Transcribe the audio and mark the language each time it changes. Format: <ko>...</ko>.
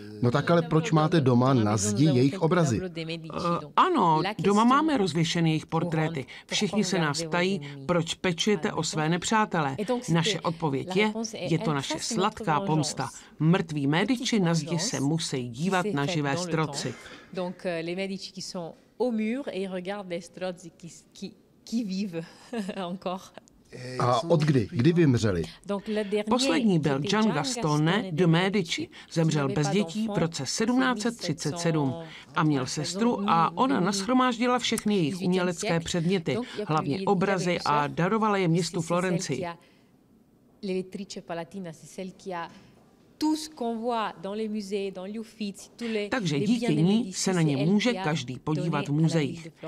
<cs>No tak ale proč máte doma na zdi jejich obrazy? Ano, doma máme rozvěšené jejich portréty. Všichni se nás ptají, proč pečujete o své nepřátele. Naše odpověď je, je to naše sladká pomsta. Mrtví Medici na zdi se musí dívat na živé Strozzi.</cs> <fr>Donc les Medici qui sont au mur et ils regardent les Strozzi qui vivent encore.</fr> <cs>A od kdy vymřeli? Poslední byl Gian Gastone de Medici. Zemřel bez dětí v roce 1737 a měl sestru a ona nashromáždila všechny jejich umělecké předměty, hlavně obrazy a darovala je městu Florencii.</cs> <fr>L'Elettrice Palatina, c'est celle qui a tout ce qu'on voit dans les musées, dans l'Uffizi, tous les.</fr> <cs>Takže díky ní se na ně může každý podívat v muzeích.</cs>